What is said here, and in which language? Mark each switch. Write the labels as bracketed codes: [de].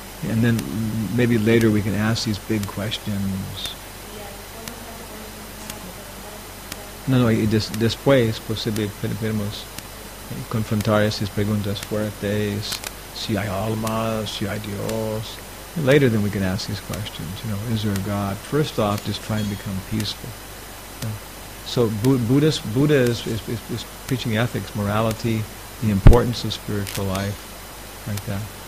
[en] And then maybe later we can ask these big questions. [es] No, después posible podemos confrontar esas preguntas fuertes. Si hay alma, si hay Dios. [en] Later then we can ask these questions, you know, is there a God? First off, just try and become peaceful. So Buddha is preaching ethics, morality, the importance of spiritual life, like that.